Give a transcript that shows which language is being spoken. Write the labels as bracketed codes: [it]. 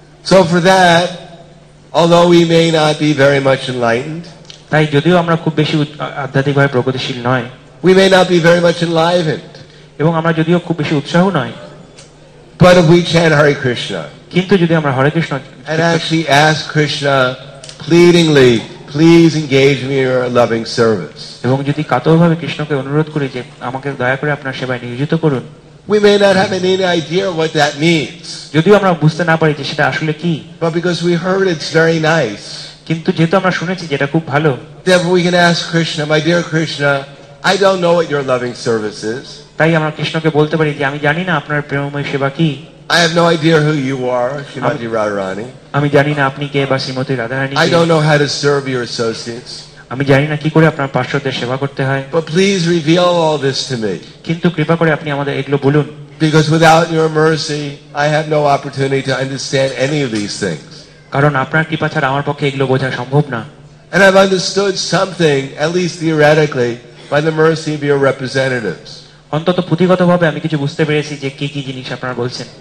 [en] So for that, although we may not be very much enlightened, [bn] তাই যদিও আমরা খুব বেশি আধ্যাত্মিকভাবে প্রগতিশীল নয়, [en] we may not be very much enlivened, [bn] এবং আমরা যদিও খুব বেশি উৎসাহ নয়, [en] but if we chant Hare Krishna, [bn] কিন্তু যদি আমরা হরে Krishna, [en] and actually ask Krishna pleadingly, please engage me in your loving service, [bn] এবং যদি কাতরভাবে কৃষ্ণকে অনুরোধ করি যে আমাকে দয়া করে আপনার সেবায় নিয়োজিত করুন, [en] we may not have any idea what that means. [bn] যদিও আমরা বুঝতে না পারি যে সেটা আসলে কি, [en] but because we heard it's very nice, [bn] কিন্তু যেহেতু আমরা শুনেছি যে এটা খুব ভালো, [en] therefore we can ask Krishna, my dear Krishna, I don't know what your loving service is. [bn] তাই আমরা কৃষ্ণকে বলতে পারি যে আমি জানি না আপনার প্রেমময় সেবা কি. [en] I have no idea who you are, Srimati Radharani. [bn] আমি জানি না আপনি কে বা Shrimati Radharani. [en] I don't know how to serve your associates. [bn] আমি জানি না কি করে আপনার পার্শ্বদের সেবা করতে হয়. [en] But please reveal all this to me. [bn] কিন্তু কৃপা করে আপনি আমাদের এগুলো বলুন. [en] Because without your mercy, I have no opportunity to understand any of these things. [bn] কারণ আপনার কৃপা ছাড়া আমার পক্ষে এগুলো বোঝা সম্ভব না. [en] And I've understood something, at least theoretically, by the mercy of your representatives. [bn] অন্তত পুঁথিগতভাবে আমি কিছু বুঝতে পেরেছি যে কি কি জিনিস আপনারা বলছেন